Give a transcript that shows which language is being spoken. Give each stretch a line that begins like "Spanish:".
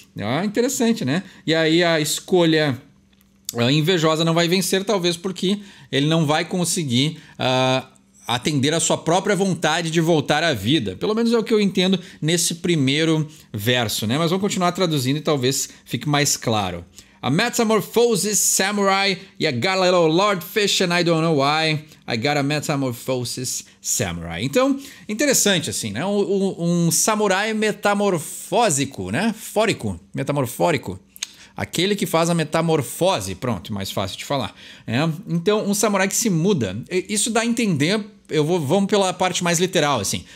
Portuguese: Ah, interessante, né? E aí a escolha... A invejosa não vai vencer, talvez porque ele não vai conseguir atender a sua própria vontade de voltar à vida. Pelo menos é o que eu entendo nesse primeiro verso, né? Mas vamos continuar traduzindo e talvez fique mais claro.
English: A metamorphosis samurai, I got a little lord fish and I don't know why, I got a metamorphosis samurai.
Portuguese: Então, interessante assim, né? Um samurai metamorfósico, né? Fórico, metamorfórico. Aquele que faz a metamorfose, pronto, mais fácil de falar. É. Então, um samurai que se muda. Isso dá a entender, vamos pela parte mais literal, assim.